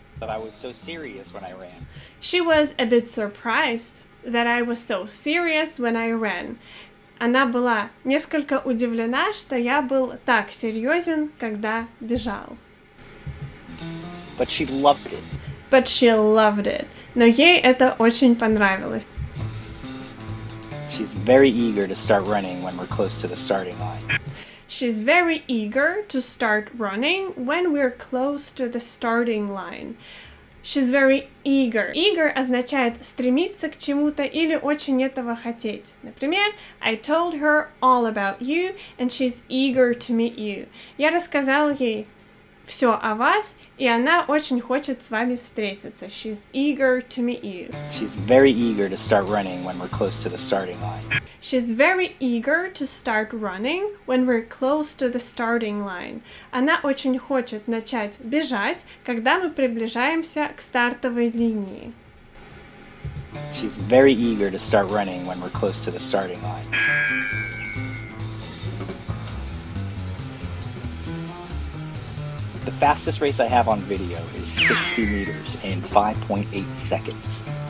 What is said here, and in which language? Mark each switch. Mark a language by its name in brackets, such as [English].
[English] That I was so serious when I ran. She was a bit surprised that I was so serious when I ran. [Russian] Она была несколько удивлена, что я был так серьезен, когда бежал. [English] But she loved it. But she loved it. [Russian] Но ей это очень понравилось. [English] She's very eager to start running when we're close to the starting line. She's very eager to start running when we're close to the starting line. She's very eager. [Russian] Eager означает стремиться к чему-то или очень этого хотеть. Например, [English] I told her all about you and she's eager to meet you. [Russian] Я рассказал ей все о вас, и она очень хочет с вами встретиться. [English] She's eager to meet you. She's very eager to start running when we're close to the starting line. She's very eager to start running when we're close to the starting line. [Russian] Она очень хочет начать бежать, когда мы приближаемся к стартовой линии. [English] She's very eager to start running when we're close to the starting line. The fastest race I have on video is 60 meters in 5.8 seconds.